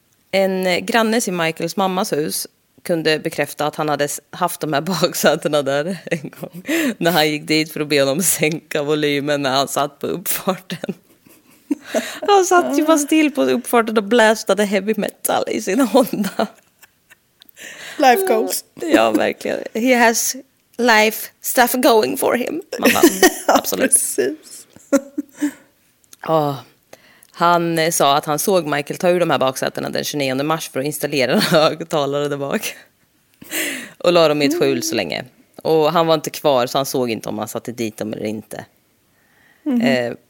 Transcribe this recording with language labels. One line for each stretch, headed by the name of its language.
Swedish: En granne i Michaels mammas hus kunde bekräfta att han hade haft de här baksätena där en gång. När han gick dit för att be honom sänka volymen när han satt på uppfarten. Han satt ju bara still på uppfarten och blästade heavy metal i sin Honda.
English: Life goes.
Swedish: Ja, verkligen.
English: He has life stuff going for him.
Swedish: Mamma. Absolut. Ja. Han sa att han såg Michael ta ur de här baksätena den 29 mars för att installera en högtalare där bak. Och la dem i ett skjul så länge. Och han var inte kvar så han såg inte om han satte dit dem eller inte. Mm-hmm.